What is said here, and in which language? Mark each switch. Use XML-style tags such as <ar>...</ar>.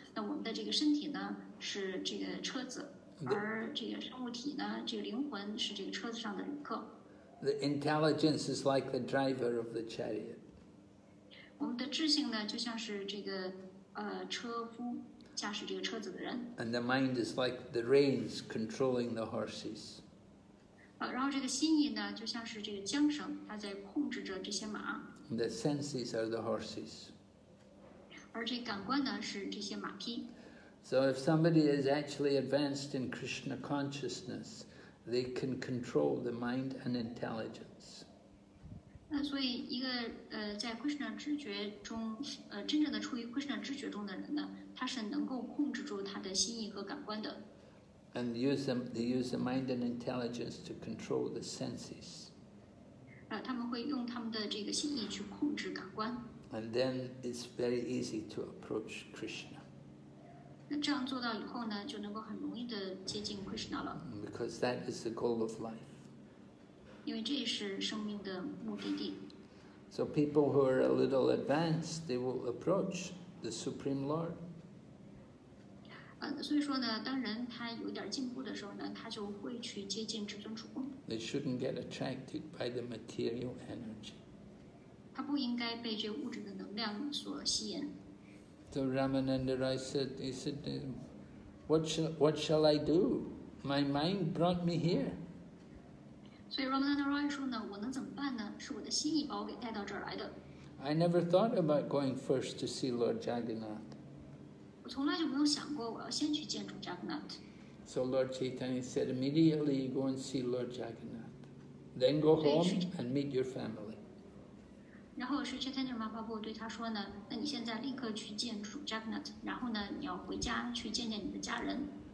<zh>那我们的这个身体呢是这个车子，而这个生物体呢，这个灵魂是这个车子上的旅客。</zh> <en>The intelligence is like the driver of the chariot.</en> <zh>我们的智性呢，就像是这个车夫驾驶这个车子的人。</zh> <en>And the mind is like the reins controlling the horses.</en> <zh>然后这个心意呢，就像是这个缰绳，它在控制着这些马。</zh> <en>And the senses are the horses.</en> <zh>而这感官呢，是这些马匹。</zh> <en>So if somebody is actually advanced in Krishna consciousness,They can control the mind and intelligence.</en> <zh>那所以一个在 Krishna 知觉中真正的处于 Krishna 知觉中的人呢，他是能够控制住他的心意和感官的。</zh> <en>And they use the mind and intelligence to control the senses.</en> <zh>他们会用他们的这个心意去控制感官。</zh> <en>And then it's very easy to approach Krishna.</en> <zh>那这样做到以后呢，就能够很容易的接近 Krishna 了。</zh> <en>Because that is the goal of life.</en> <zh>因为这是生命的目的地。</zh> <en>So people who are a little advanced, they will approach the Supreme Lord.</en> <zh>所以说呢，当人他有点进步的时候呢，他就会去接近至尊主公。</zh> <en>They shouldn't get attracted by the material energy.</en> <zh>他不应该被这物质的能量所吸引。</zh> <en>So Ramananda Rai said, he said, what shall I do? My mind brought me here. So</en> <zh>Ramananda Rai 说呢，我能怎么办呢？是我的心意把我给带到这儿来的。</zh> <en>I never thought about going first to see Lord Jagannath.</en> <zh>我从来就没有想过我要先去见主 Jagannath.</zh> <en>So Lord Chaitanya said, immediately go and see Lord Jagannath. Then go home and meet your family.</en> <zh>然后是 Chaitanya Mahaprabhu 对他说呢，那你现在立刻去见主 Jagannath， 然后呢，你要回家去见见你的家人。</zh>